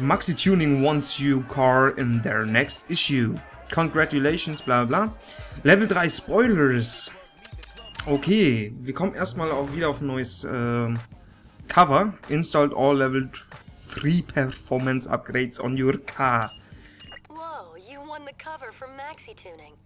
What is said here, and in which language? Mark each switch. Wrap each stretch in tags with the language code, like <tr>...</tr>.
<en>Maxi Tuning wants you car in their next issue. Congratulations, bla bla. Level 3 Spoilers.</en> <de>Okay, wir kommen erstmal auch wieder auf ein neues Cover.</de> <en>Installed all level 3 performance upgrades on your car. Whoa, you won the cover from Maxi Tuning.</en>